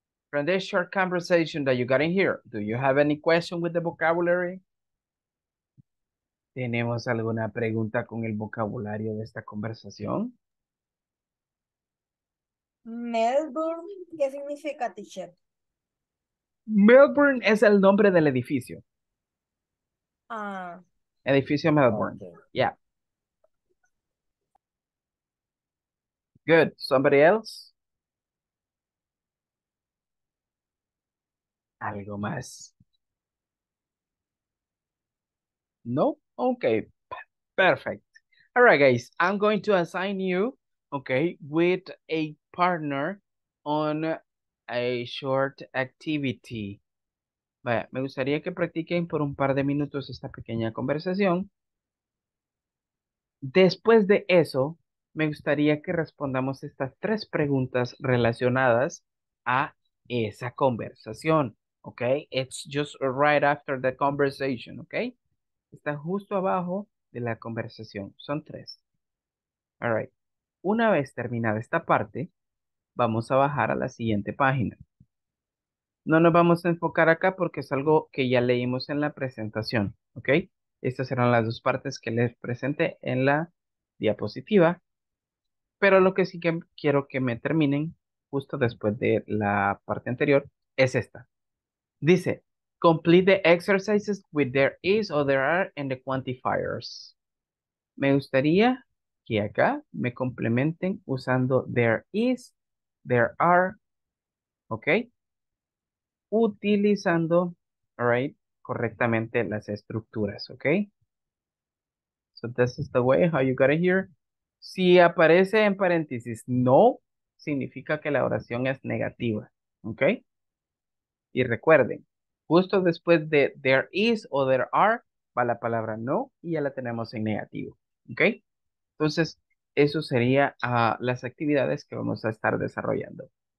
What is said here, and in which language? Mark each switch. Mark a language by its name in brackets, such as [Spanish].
[English] From this short conversation that you got in here, do you have any question with the vocabulary? [Spanish] ¿Tenemos alguna pregunta con el vocabulario de esta conversación? Melbourne, ¿qué significa, teacher? Melbourne es el nombre del edificio. Ah. Edificio Melbourne. Okay. Yeah. [English] Good. Somebody else? [Spanish] ¿Algo más? [English] No? Okay. Perfect. All right, guys. I'm going to assign you, okay, with a partner on a short activity. [Spanish] Vaya, me gustaría que practiquen por un par de minutos esta pequeña conversación. Después de eso, me gustaría que respondamos estas tres preguntas relacionadas a esa conversación, ¿ok? [English] It's just right after the conversation, [Spanish] ¿ok? Está justo abajo de la conversación. Son tres. [English] All right. [Spanish] Una vez terminada esta parte, vamos a bajar a la siguiente página. No nos vamos a enfocar acá porque es algo que ya leímos en la presentación, ¿ok? Estas eran las dos partes que les presenté en la diapositiva. Pero lo que sí que quiero que me terminen justo después de la parte anterior es esta. [English] Dice, complete the exercises with there is or there are and the quantifiers. [Spanish] Me gustaría que acá me complementen usando [English] there is, there are, [Spanish] ¿ok? Utilizando, all right, correctamente las estructuras, ¿ok? [English] So this is the way how you got it here. [Spanish] Si aparece en paréntesis no, significa que la oración es negativa, ¿ok? Y recuerden, justo después de there is o there are, va la palabra no y ya la tenemos en negativo, ¿ok? Entonces, eso sería las actividades que vamos a estar desarrollando.